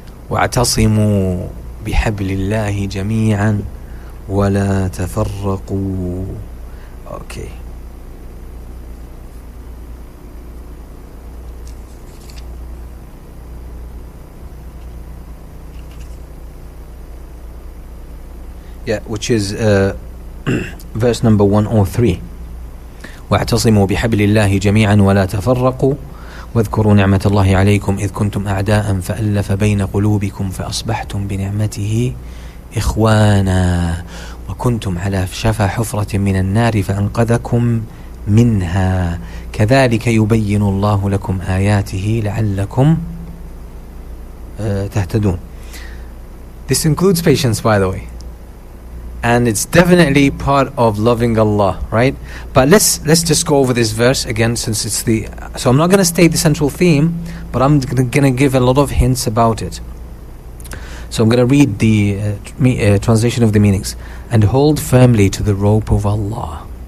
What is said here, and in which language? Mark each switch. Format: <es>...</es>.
<ar>وَاعْتَصِمُوا بِحَبْلِ اللَّهِ جَمِيعًا وَلَا تَفَرَّقُوا. Okay.</ar> <en>Yeah, which is verse number 103.</en> <ar>وَاعْتَصِمُوا بِحَبْلِ اللَّهِ جَمِيعًا وَلَا تَفَرَّقُوا واذكروا نعمة الله عليكم إذ كنتم أعداء فألف بين قلوبكم فأصبحتم بنعمته إخوانا وكنتم على شفا حفرة من النار فأنقذكم منها كذلك يبين الله لكم آياته لعلكم تهتدون.</ar> <en>This includes patience, by the way. And it's definitely part of loving Allah, right? But let's just go over this verse again, since it's the... So I'm not going to state the central theme, but I'm going to give a lot of hints about it. So I'm going to read the translation of the meanings. And hold firmly to the rope of Allah.</en>